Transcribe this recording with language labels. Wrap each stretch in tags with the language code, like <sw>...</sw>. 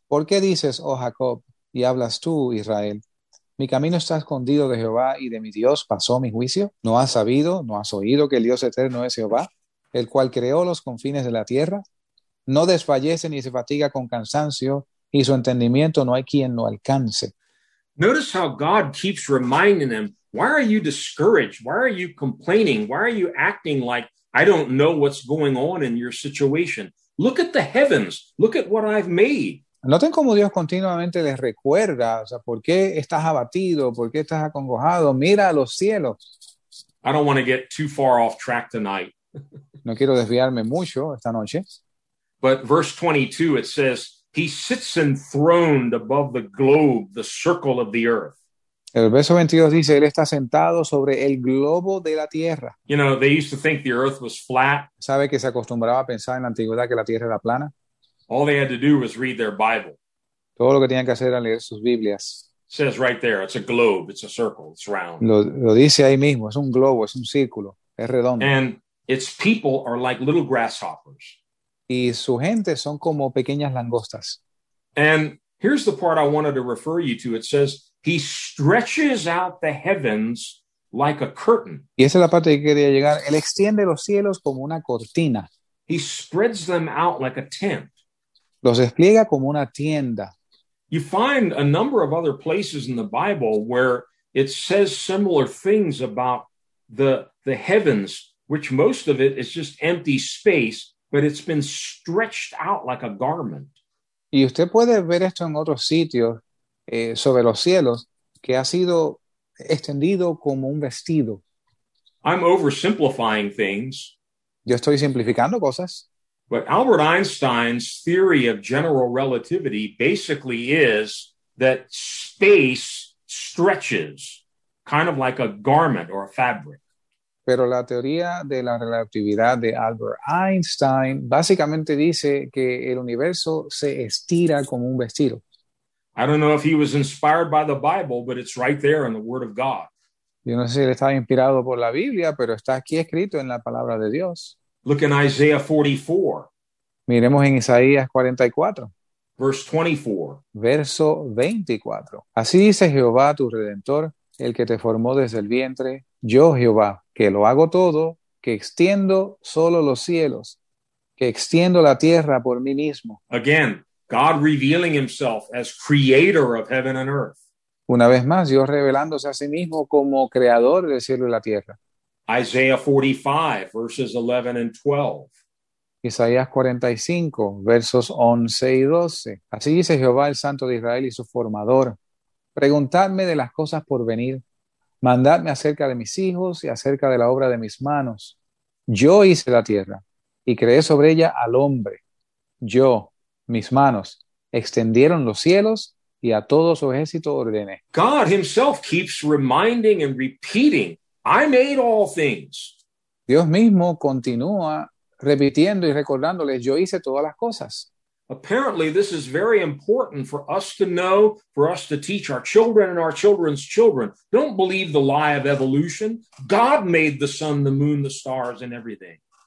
<es>¿Por qué dices, oh Jacob, y hablas tú, Israel? ¿Mi camino está escondido de Jehová y de mi Dios pasó mi juicio? ¿No has sabido, no has oído que el Dios eterno es Jehová, el cual creó los confines de la tierra? No desfallece ni se fatiga con cansancio, y su entendimiento no hay quien lo alcance.</es> <en>Notice how God keeps reminding them, why are you discouraged? Why are you complaining? Why are you acting like I don't know what's going on in your situation? Look at the heavens. Look at what I've made.</en> <es>Noten cómo Dios continuamente les recuerda, o sea, ¿por qué estás abatido? ¿Por qué estás acongojado? Mira a los cielos.</es> <en>I don't want to get too far off track tonight.</en> <es>No quiero desviarme mucho esta noche.</es> <en>But verse 22, it says, he sits enthroned above the globe, the circle of the earth.</en> <es>El verso 22 dice, él está sentado sobre el globo de la tierra.</es> <en>You know, they used to think the earth was flat.</en> <es>¿Sabe que se acostumbraba a pensar en la antigüedad que la tierra era plana?</es> <en>All they had to do was read their Bible.</en> <es>Todo lo que tenían que hacer era leer sus Biblias.</es> <en>It says right there, it's a globe, it's a circle, it's round.</en> <es>Lo dice ahí mismo, es un globo, es un círculo, es redondo.</es> <en>And its people are like little grasshoppers.</en> <es>Y su gente son como pequeñas langostas.</es> <en>And here's the part I wanted to refer you to. It says, he stretches out the heavens like a curtain.</en> <es>Y esa es la parte que quería llegar. Él extiende los cielos como una cortina.</es> <en>He spreads them out like a tent.</en> <es>Los despliega como una tienda.</es> <en>You find a number of other places in the Bible where it says similar things about the heavens, which most of it is just empty space, but it's been stretched out like a garment.</en> <es>Y usted puede ver esto en otros sitios sobre los cielos, que ha sido extendido como un vestido.</es> <en>I'm oversimplifying things.</en> <es>Yo estoy simplificando cosas.</es> <en>But Albert Einstein's theory of general relativity basically is that space stretches, kind of like a garment or a fabric.</en> <es>Pero la teoría de la relatividad de Albert Einstein básicamente dice que el universo se estira como un vestido.</es> <en>I don't know if he was inspired by the Bible, but it's right there in the Word of God.</en> <es>Yo no sé si él estaba inspirado por la Biblia, pero está aquí escrito en la palabra de Dios.</es> <en>Look in Isaiah 44.</en> <es>Miremos en Isaías 44.</es> <en>Verse 24.</en> <es>Verso 24. Así dice Jehová, tu Redentor, el que te formó desde el vientre. Yo, Jehová, que lo hago todo, que extiendo solo los cielos, que extiendo la tierra por mí mismo.</es> <en>Again, God revealing himself as creator of heaven and earth.</en> <es>Una vez más, Dios revelándose a sí mismo como creador del cielo y la tierra.</es> <en>Isaiah 45, verses 11 and 12.</en> <es>Isaías 45, versos 11 y 12. Así dice Jehová, el Santo de Israel y su formador. Preguntadme de las cosas por venir. Mandadme acerca de mis hijos y acerca de la obra de mis manos. Yo hice la tierra y creé sobre ella al hombre. Yo, mis manos, extendieron los cielos y a todo su ejército ordené.</es> <en>God himself keeps reminding and repeating I made all things.</en> <es>Dios mismo continúa repitiendo y recordándoles, yo hice todas las cosas.</es> <en>Apparently, this is very important for us to know, for us to teach our children and our children's children. Don't believe the lie of evolution. God made the sun, the moon, the stars, and everything.</en>